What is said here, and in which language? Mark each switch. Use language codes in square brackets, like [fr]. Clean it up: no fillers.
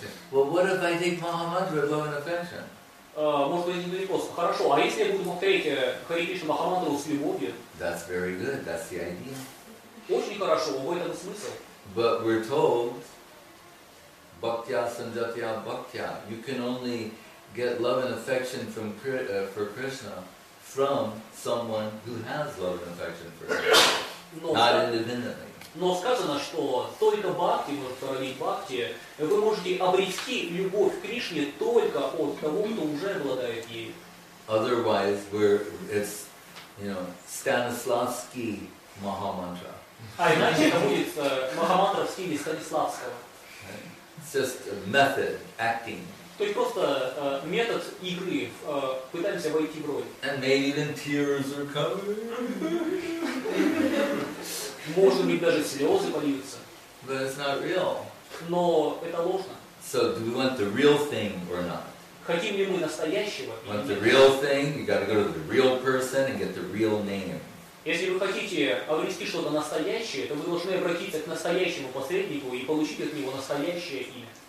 [en] Well, what if I take Maha Mantra with love and affection? [ru] может быть, не просто. Хорошо, а если я буду повторять Харе Кришна Махамандру с любовью? [en] That's very good, that's the idea. [ru] Очень хорошо, в этом смысл. [en] But we're told, bhaktya sanjatya bhaktya, you can only get love and affection from for Krishna from someone who has love and affection for Krishna, not independently. [ru] Но сказано, что только бхакти, может проявить бхакти, вы можете обрести любовь к Кришне только от того, кто уже обладает ею. [en] Otherwise, we're, it's, you know, Stanislavski Mahamantra. [ru] А иначе это будет Mahamantra в стиле Станиславского. [en] It's just a method, acting. [ru] То есть просто метод игры, пытаемся войти в роль. [en] And maybe even tears are coming. [ru] Может быть, даже слезы польются. [en] But it's not real. [ru] Но это ложно. [en] So do we want the real thing or not? [ru] Хотим ли мы настоящего? [en] Want the real thing? You got to go to the real person and get the real name. [ru] Если вы хотите обрести что-то настоящее, то вы должны обратиться к настоящему посреднику и получить от него настоящее имя.